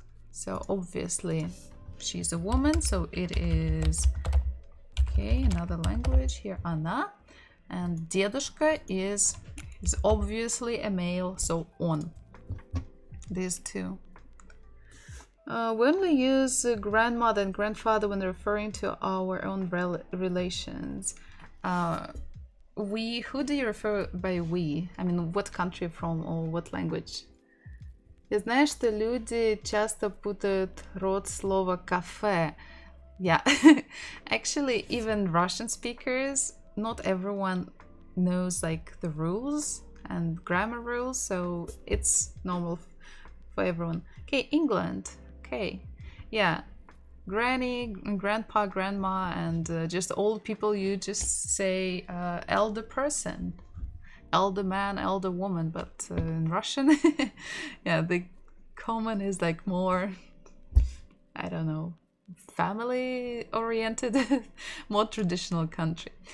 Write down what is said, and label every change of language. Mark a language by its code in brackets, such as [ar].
[en] So obviously she's a woman, so it is, okay, another language here, она, and дедушка is obviously a male, so он. These two. We only use grandmother and grandfather when referring to our own relations. Who do you refer by we? I mean, what country from or what language? [ru] Ты знаешь, что люди часто путают род слова кафе. [en] Yeah, actually, even Russian speakers, not everyone knows like the rules and grammar rules, so it's normal for everyone. Okay, England. Okay, yeah, granny, grandpa, grandma, and just old people, you just say elder person, elder man, elder woman, but in Russian, yeah, the common is like more, I don't know, family oriented, more traditional country.